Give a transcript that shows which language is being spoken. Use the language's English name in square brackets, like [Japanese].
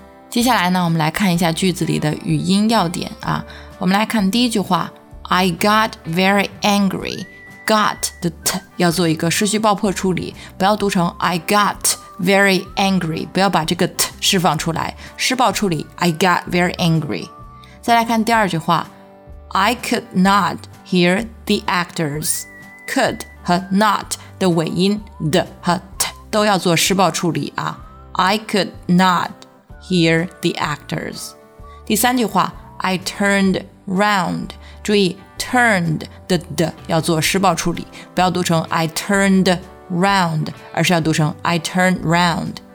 [Chinese] 接下来呢，我们来看一下句子里的语音要点啊。我们来看第一句话， [English] I got very angry。 [Chinese] got 的 t 要做一个失去爆破处理，不要读成 [English] I gotVery angry， [Chinese] 不要把这个 t 释放出来，失爆处理 [English] I got very angry。 [Chinese] 再来看第二句话， [English] I could not hear the actors。 [Chinese] could 和 not 的尾音 d 和 t 都要做失爆处理啊。 [English] I could not hear the actors。 [Chinese] 第三句话， [English] I turned round， [Chinese] 注意 turned 的 d 要做失爆处理，不要读成 I turned round， 而是要读成 [English] I turn round。